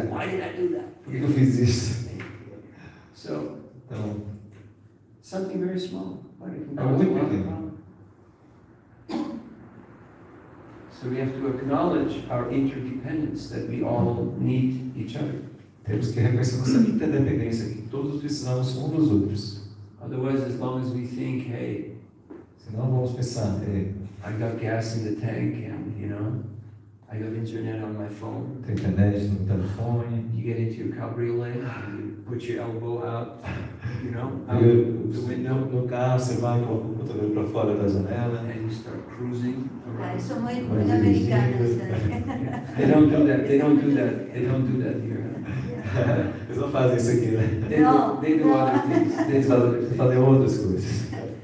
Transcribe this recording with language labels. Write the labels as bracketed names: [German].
[English] Why did I do that? [Portuguese] Por que eu fiz isso? [English] So. [Portuguese] Então. [English] Something very small, but it can cause a lot of problem. So we have to acknowledge our interdependence, that we all need each other. [Portuguese] Temos que reconhecer nossa interdependência, que todos precisamos uns dos outros. [English] Otherwise, as long as we think, hey, [Portuguese] senão vamos pensar, hey, [English] I got gas in the tank, and you know, I got internet on my phone. [Portuguese] Tem internet no telefone. [English] You get into your cabriolet, and you put your elbow out, you know, the window. [Portuguese] No carro, você vai com o cabelo para fora da janela. [English] And you start cruising around. [Portuguese] Eu sou muito americana. [English] They don't do that. They don't do that. They don't do that here. Yeah. [Portuguese] Eles não fazem isso aqui, né? [English] They do other things. They [Portuguese] fazem outras coisas.